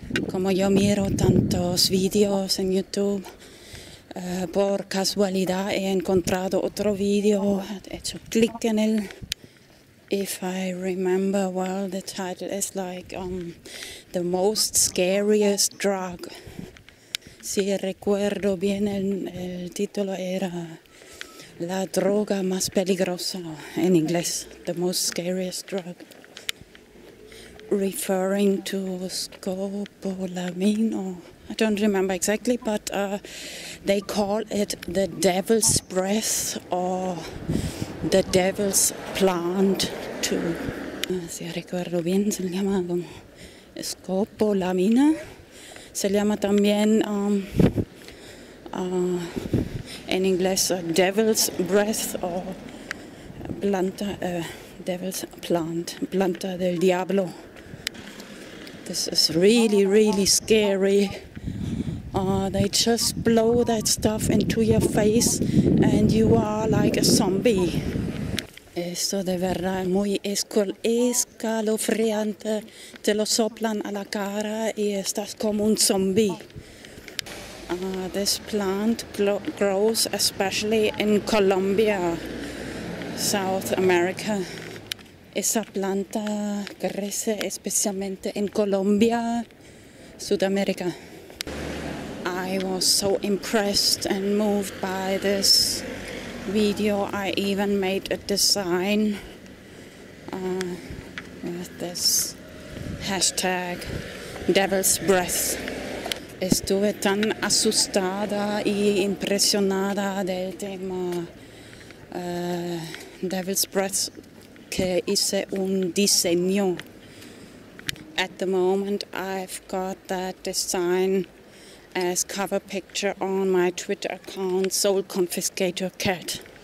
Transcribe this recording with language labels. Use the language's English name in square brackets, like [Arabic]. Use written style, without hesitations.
[Spanish] Como yo miro tantos videos en YouTube, por casualidad he encontrado otro video, he hecho clic en él. [English] If I remember well, the title is like the most scariest drug. [Spanish] Si recuerdo bien, el título era la droga más peligrosa, en inglés, [English] the most scariest drug. Referring to scopolamine, I don't remember exactly, but they call it the devil's breath or the devil's plant too. [Spanish] Si recuerdo bien, se llama scopolamina. Se llama también en inglés devil's breath or planta, devil's plant, planta del diablo. [English] This is really, really scary. They just blow that stuff into your face and you are like a zombie. [Spanish] Esto de verdad es muy escalofriante. Te lo soplan a la cara y estás como un zombie. [English] This plant grows especially in Colombia, South America. [Spanish] Esa planta crece especialmente en Colombia, Sudamérica. [English] I was so impressed and moved by this video. I even made a design with this Hashtag Devil's Breath. [Spanish] Estuve tan asustada y impresionada del tema Devil's Breath que hice un diseño. [English] At the moment, I've got that design as cover picture on my Twitter account, Soul Confiscator Cat.